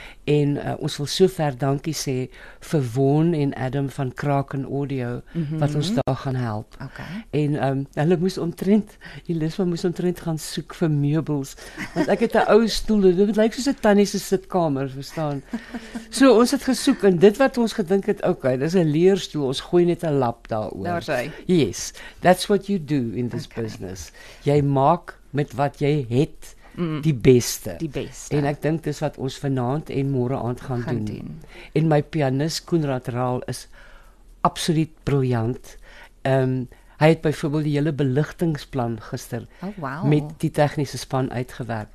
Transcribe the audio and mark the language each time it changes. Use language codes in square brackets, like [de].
[af] En ons wil so ver dankie sê vir Won en Adam van Kraken Audio, wat ons daar gaan help. Okay. En hulle moes omtrent, Elisma moes omtrent gaan soek vir meubels, want ek het 'n ou stoel, dit lyk soos 'n tannie se sitkamer, verstaan. So ons het gesoek, en dit wat ons gedink het, okay, dis 'n leerstoel, ons gooi net 'n lap daaroor. Daar sy. [en] Yes, that's what you do in this business. [af] Jy maak met wat jy het, die beste. Die beste. En ek dink dis wat ons vanaand en môre aand gaan doen. En my pianist Koenraad Raal is absoluut briljant. Hy het byvoorbeeld die hele beligtingsplan gister met die tegniese span uitgewerk.